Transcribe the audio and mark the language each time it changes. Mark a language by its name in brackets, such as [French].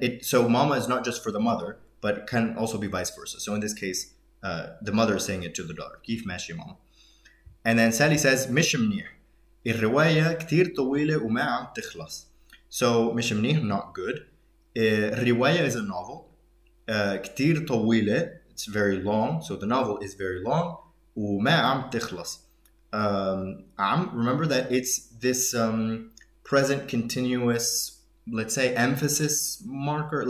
[English] So mama is not just for the mother, but can also be vice versa. So in this case, the mother is saying it to the daughter. [Arabic] كيف ماشي ماما. [English] And then Sally says, [Arabic] مش منيح. الرواية كتير طويلة وما عم تخلص. [English] So [Arabic] مش منيح, [English] not good. الرواية is a novel. [Arabic] كتير طويلة, [English] it's very long. So the novel is very long. [Arabic] وما عم تخلص. [English] Remember that it's this present continuous, let's say, emphasis marker.